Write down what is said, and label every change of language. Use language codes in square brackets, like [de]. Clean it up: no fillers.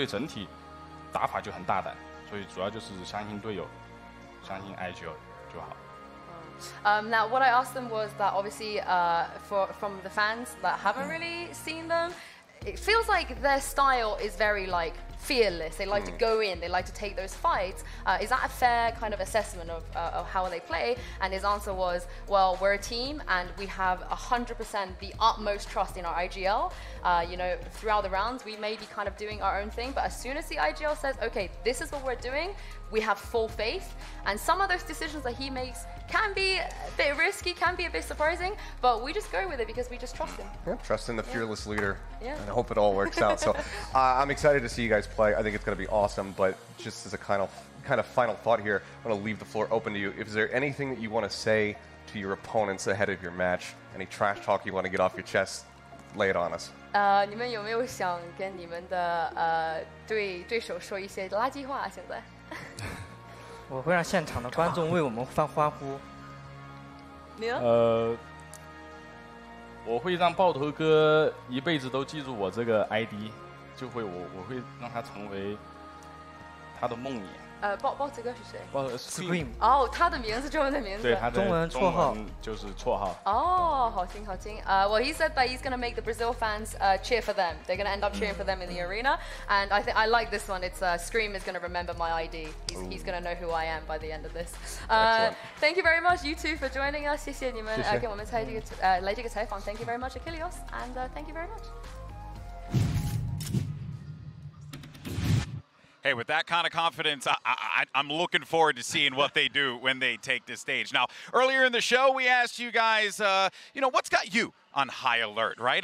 [zh] Uh, 你们怎么觉得你们很大胆，做决定的时候，每一个决定是非常大胆，有一些经讶的决定。你们觉得这个评论，你们也自己想，你们也是这样的对吗？跟他们的评论，评论想有什么？你们自己有没有什么跟他们的那种评论？首先我们肯定就是我们是一个团队嘛，我们都是非常相信我们的指挥IGO嘛，就是我们通过前期的运营，然后拉扯，到最后我们的IGO他一旦抠出他想打的一些东西的时候，我们都会很相信他，就是只要他的决策很大胆，就导致我们团队整体打法就很大胆。 [en] Now, what I asked them was that obviously, from the fans that haven't really seen them, it feels like their style is very like fearless. They like to go in, they like to take those fights. Is that a fair kind of assessment of how they play? And his answer was, well, we're a team and we have 100% the utmost trust in our IGL. You know, throughout the rounds, we may be kind of doing our own thing, but as soon as the IGL says, okay, this is what we're doing, we have full faith. And some of those decisions that he makes can be a bit risky, can be a bit surprising, but we just go with it because we just trust him. Yeah, trust in the fearless leader. Yeah. And I hope it all works out. So I'm excited to see you guys play. I think it's going to be awesome. But just as a kind of final thought here, I'm going to leave the floor open to you. Is there anything that you want to say to your opponents ahead of your match? Any trash talk you want to get off your chest? Lay it on us. [zh] 你们有没有想跟你们的对手说一些垃圾话现在？我会让现场的观众为我们欢呼。你呢？我会让爆头哥一辈子都记住我这个 ID， 就会我会让他成为他的梦魇。爆头哥是谁？Scream。哦，他的名字，中文的名字。对，他的中文绰号就是绰号。哦，好听好听。Well, [en] he said that he's gonna make the Brazil fans cheer for them. They're gonna end up cheering for them in the arena. And I think I like this one. It's Scream is gonna remember my ID. He's gonna know who I am by the end of this. Thank you very much, you two, for joining us. [zh] 谢谢你们，给我们来这个采访。 [en] Thank you very much, Achilles, and thank you very much. Hey, with that kind of confidence, I'm looking forward to seeing what they do when they take the stage. Now, earlier in the show, we asked you guys, you know, what's got you on high alert, right?